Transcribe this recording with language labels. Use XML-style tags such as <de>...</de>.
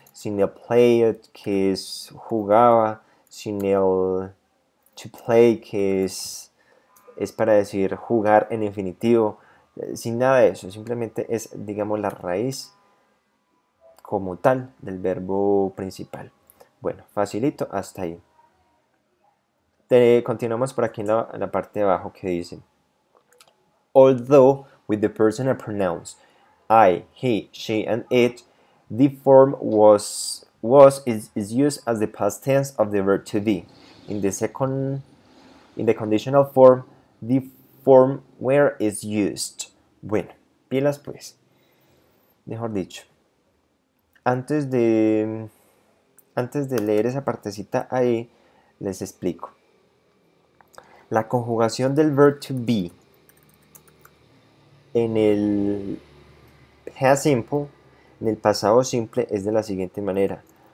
<es>Sin el played, que es jugaba. Sin el to play, que es para decir jugar en infinitivo. Sin nada de eso. Simplemente es, digamos, la raíz como tal del verbo principal. Bueno, facilito hasta ahí. Continuamos por aquí en la parte de abajo que dice,</es> <en>although with the personal pronouns I, he, she and it, the form was is used as the past tense of the verb to be. In the conditional form, the form where is used.</en> <es>Bueno, pilas pues. Mejor dicho, antes de leer esa partecita ahí, les explico. La conjugación del verb to be en el past simple, en el pasado simple, es de la siguiente manera.</es>